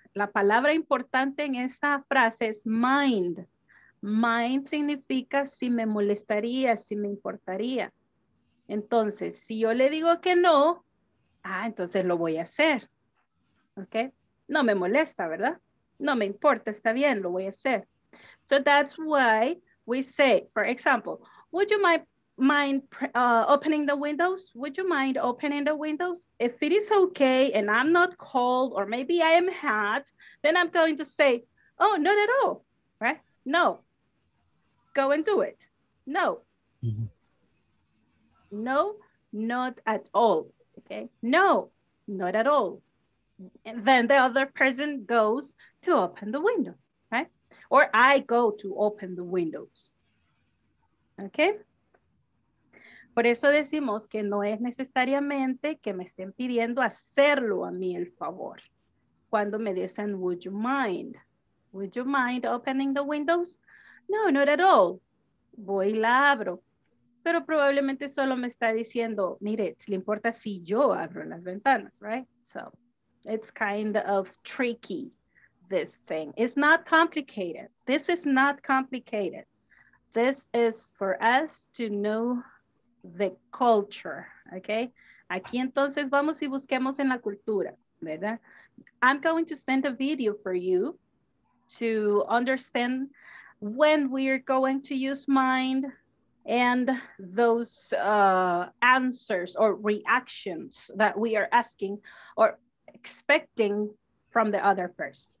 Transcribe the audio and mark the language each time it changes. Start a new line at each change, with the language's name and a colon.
Spanish: La palabra importante en esta frase es mind. Mind significa si me molestaría, si me importaría. Entonces, si yo le digo que no, entonces lo voy a hacer. ¿Ok? No me molesta, ¿verdad? No me importa, está bien, lo voy a hacer.
English: So that's why we say, for example, would you mind opening the windows? Would you mind opening the windows? If it is okay and I'm not cold or maybe I am hot, then I'm going to say, oh, not at all, right? No, go and do it. No. Mm-hmm. No, not at all, okay? No, not at all. And then the other person goes to open the window, right? Or I go to open the windows, okay?
Spanish: Por eso decimos que no es necesariamente que me estén pidiendo hacerlo a mí el favor. Cuando me dicen,
English: would you mind opening the windows? No, not at all.
Spanish: Voy y la abro. Pero probablemente solo me está diciendo, mire, le importa si yo abro las ventanas, right?
English: So, it's kind of tricky, this thing. It's not complicated. This is not complicated. This is for us to know the culture, okay?
Spanish: Aquí entonces vamos y busquemos en la cultura, ¿verdad?
English: I'm going to send a video for you to understand when we are going to use mind and those answers or reactions that we are asking or expecting from the other person.